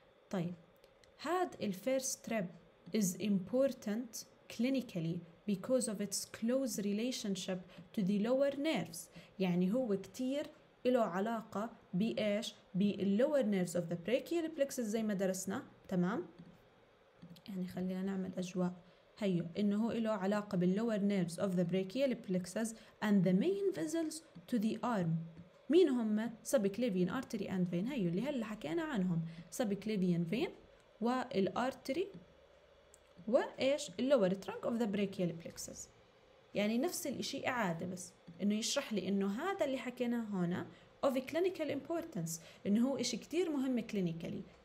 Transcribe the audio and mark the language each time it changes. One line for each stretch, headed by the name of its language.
English: طيب هاد الفيرست trip is important clinically because of its close relationship to the lower nerves,
Arabic: يعني هو كتير له علاقه بايش
English: باللور nerves of the brachial plexus
Arabic: زي ما درسنا. تمام يعني خلينا نعمل أجواء هيو إنه له علاقة باللور
English: nerves of the brachial plexus and the main vessels to the arm.
Arabic: مين هم؟
English: subclavian artery and vein،
Arabic: هيو اللي هلا حكينا عنهم subclavian vein والartery وإيش اللور
English: trunk of the brachial plexus،
Arabic: يعني نفس الإشي إعادة بس إنه يشرح لي إنه هذا اللي حكيناه هنا
English: of clinical importance،
Arabic: إنه هو إشي كتير مهم clinically.